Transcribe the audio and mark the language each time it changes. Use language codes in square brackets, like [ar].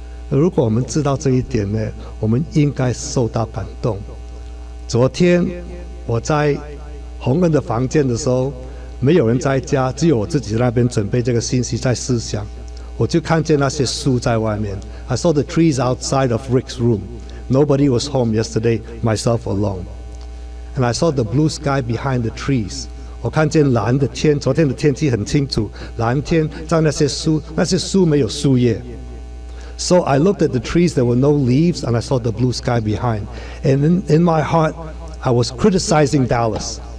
[zh] 如果我们知道这一点呢，我们应该受到感动。昨天我在洪恩的房间的时候，没有人在家，只有我自己在那边准备这个信息，在思想，我就看见那些树在外面。 [en] I saw the trees outside of Rick's room. Nobody was home yesterday, myself alone. And I saw the blue sky behind the trees. [zh] 我看见蓝的天，昨天的天气很清楚，蓝天在那些树，那些树没有树叶。 [en] So I looked at the trees, there were no leaves, and I saw the blue sky behind. And in my heart, I was criticizing Dallas.